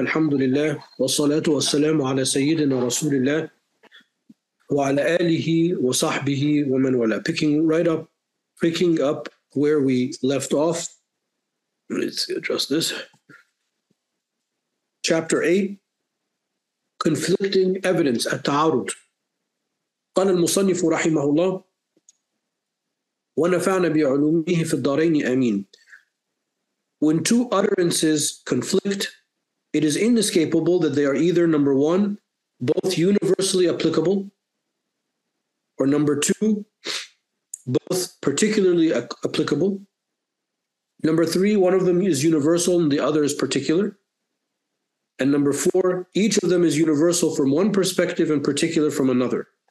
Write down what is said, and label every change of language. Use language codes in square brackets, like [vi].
[ar] الحمد لله والصلاة والسلام على سيدنا رسول الله وعلى آله وصحبه ومن والاه. [en] Picking up where we left off. Let's adjust this. Chapter 8. Conflicting evidence. التعارض. [ar] قال المصنف رحمه الله ونفعنا بعلومه في الدارين آمين. [en] When two utterances conflict, it is inescapable that they are either, number one, both universally applicable, or number two, both particularly applicable. Number three, one of them is universal and the other is particular. And number four, each of them is universal from one perspective and particular from another.